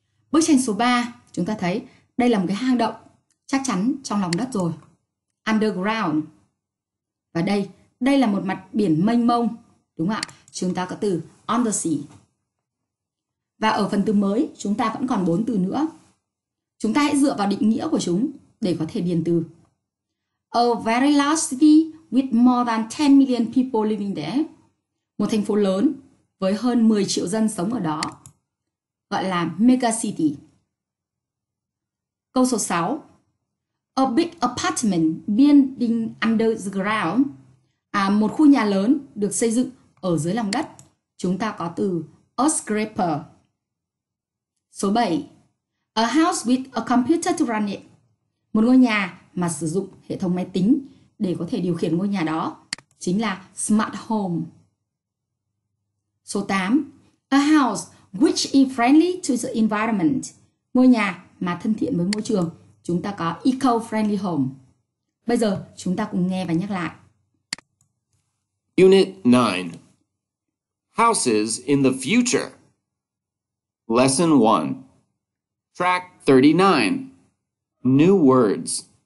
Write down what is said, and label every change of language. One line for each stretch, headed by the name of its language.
Vietnamese: Bức tranh số 3, chúng ta thấy đây là một cái hang động, chắc chắn trong lòng đất rồi, Underground. Và đây là một mặt biển mênh mông, đúng không ạ? Chúng ta có từ On the Sea. Và ở phần từ mới, chúng ta vẫn còn 4 từ nữa. Chúng ta hãy dựa vào định nghĩa của chúng để có thể điền từ.
English: A very large city with more than 10 million people living there.
Vietnamese: Một thành phố lớn với hơn 10 triệu dân sống ở đó. Gọi là mega city. Câu số 6.
English: A big apartment building under the ground.
Vietnamese: Một khu nhà lớn được xây dựng ở dưới lòng đất. Chúng ta có từ a skyscraper. Số 7.
English: A house with a computer to run it.
Vietnamese: Một ngôi nhà mà sử dụng hệ thống máy tính để có thể điều khiển ngôi nhà đó. Chính là smart home. Số 8.
English: A house which is friendly to the environment.
Vietnamese: Ngôi nhà mà thân thiện với môi trường. Chúng ta có eco-friendly home. Bây giờ chúng ta cùng nghe và nhắc lại.
English: Unit 9. Houses in the future. Lesson 1. Track 39. New words.